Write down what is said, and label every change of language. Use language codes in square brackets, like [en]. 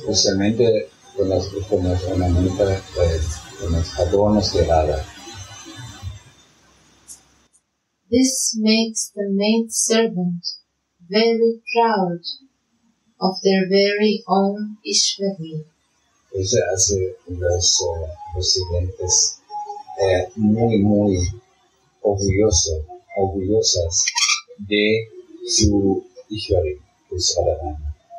[es] Especialmente con las ornamentas, con los adornos de Radha. [en] This makes the maid servant very proud of their very own Ishvari. [es] Eso hace los sirvientes muy muy orgullosas de su Ishvari, de su Adhana.